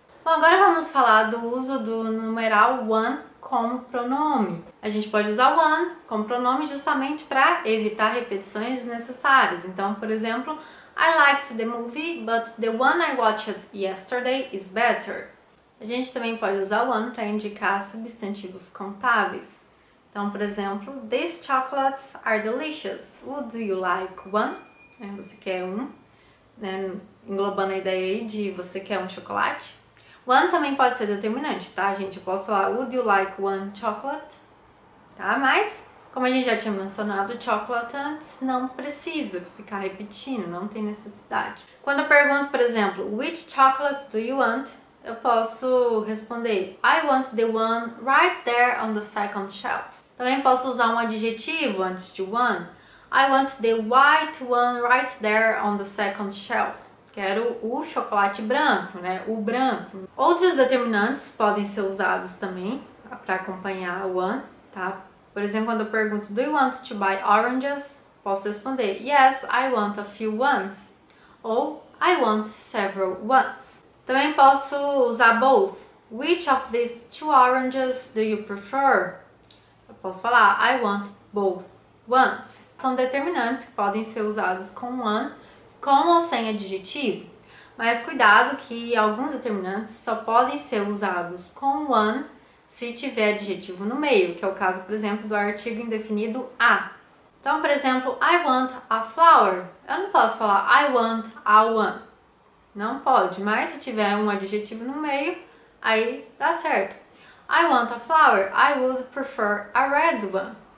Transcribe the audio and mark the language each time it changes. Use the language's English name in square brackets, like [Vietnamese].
[Portuguese] Bom, agora vamos falar do uso do numeral one como pronome. A gente pode usar one como pronome justamente para evitar repetições desnecessárias. Então, por exemplo, [English] I liked the movie, but the one I watched yesterday is better. [Portuguese] A gente também pode usar one para indicar substantivos contáveis. Então, por exemplo, [English] these chocolates are delicious. Would you like one? [Portuguese] Você quer um, né? Englobando a ideia aí de você quer um chocolate. One também pode ser determinante, tá, gente? Eu posso falar, [English] would you like one chocolate? [Portuguese] Tá? Mas, como a gente já tinha mencionado, chocolate antes, não precisa ficar repetindo, não tem necessidade. Quando eu pergunto, por exemplo, [English] which chocolate do you want? [Portuguese] Eu posso responder, [English] I want the one right there on the second shelf. [Portuguese] Também posso usar um adjetivo antes de one. [English] I want the white one right there on the second shelf. [Portuguese] Quero o chocolate branco, né? O branco. Outros determinantes podem ser usados também para acompanhar o one, tá? Por exemplo, quando eu pergunto, [English] do you want to buy oranges? [Portuguese] Posso responder, [English] yes, I want a few ones. Ou, I want several ones. [Portuguese] Também posso usar [English] both. Which of these two oranges do you prefer? [Portuguese] Eu posso falar, [English] I want both ones. [Portuguese] São determinantes que podem ser usados com one, com ou sem adjetivo. Mas cuidado que alguns determinantes só podem ser usados com one se tiver adjetivo no meio, que é o caso, por exemplo, do artigo indefinido a. Então, por exemplo, [English] I want a flower. [Portuguese] Eu não posso falar [English] I want a one. [Portuguese] Não pode, mas se tiver um adjetivo no meio, aí dá certo. [English] I want a flower, I would prefer a red one.